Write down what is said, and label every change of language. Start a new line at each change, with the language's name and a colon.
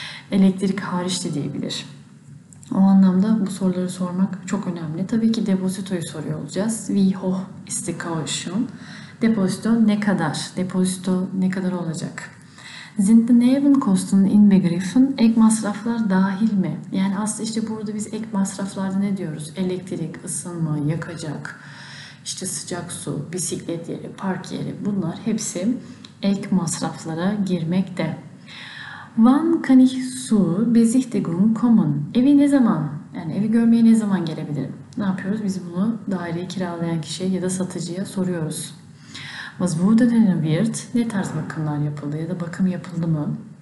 Turkish: Elektrik hariç de diyebilir. O anlamda bu soruları sormak çok önemli. Tabii ki depozitoyu soruyor olacağız.
German: Wie hoch ist die Kaution?
Turkish: Depozito ne kadar? Depozito ne kadar olacak?
German: Sind die Nebenkosten inbegriffen?
Turkish: Ek masraflar dahil mi? Yani aslında işte burada biz ek masraflarda ne diyoruz? Elektrik, ısınma, yakacak, işte sıcak su, bisiklet yeri, park yeri bunlar hepsi ek masraflara girmekte.
German: Wann kann ich zur Besichtigung kommen?
Turkish: Evi ne zaman? Yani evi görmeye ne zaman gelebilirim? Ne yapıyoruz? Biz bunu daireyi kiralayan kişiye ja da satıcıya soruyoruz.
German: Was wurde renoviert?
Turkish: Ne tarz bakımlar yapıldı ya da bakım yapıldı mı?